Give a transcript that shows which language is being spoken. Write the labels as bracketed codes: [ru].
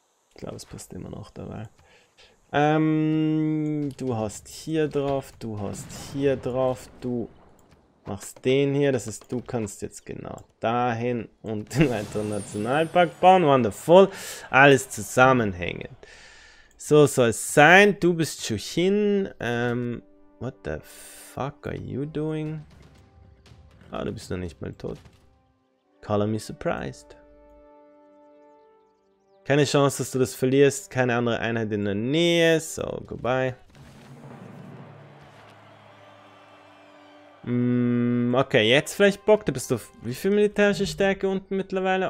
[de] Ich glaube, es passt immer noch dabei. Du hast hier drauf, du hast hier drauf, du Machst den hier, das heißt, du kannst jetzt genau dahin und den weiteren Nationalpark bauen. Wonderful. Alles zusammenhängend. So soll es sein. Du bist Chuchin. [en] What the fuck are you doing? [de] Ah, du bist noch nicht mal tot. [en] Call me surprised. [de] Keine Chance, dass du das verlierst. Keine andere Einheit in der Nähe. So, goodbye. Okay, jetzt vielleicht Bock. Du bist auf wie viel militärische Stärke unten mittlerweile?